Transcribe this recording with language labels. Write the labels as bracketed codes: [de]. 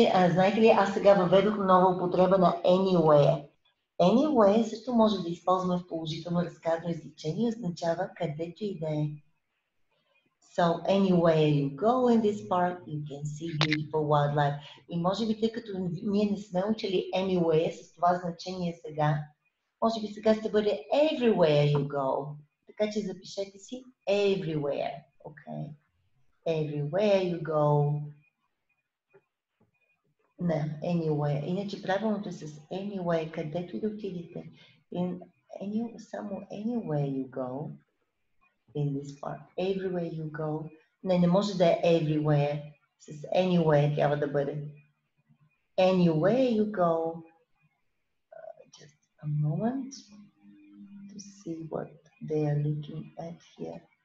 [bg] Знаете ли, аз сега въведох нова употреба на anywhere. Anywhere също може да използваме в положително разказно изречение, означава където и да е. [en] So anywhere you go in this park, you can see beautiful wildlife. [bg] И може би, тъй като ние не сме учили anywhere с това значение сега, може би сега ще бъде [en] everywhere you go. [bg] Така че запишете си everywhere. [en] Okay. Everywhere you go. No, anywhere. [bg] Иначе правилното е с anywhere, където и да отидете. [en] In any, somewhere, anywhere you go in this park. Everywhere you go. [bg] Не, не може да е everywhere. С anywhere трябва да бъде. [en] Anywhere you go. Just a moment to see what they are looking at here.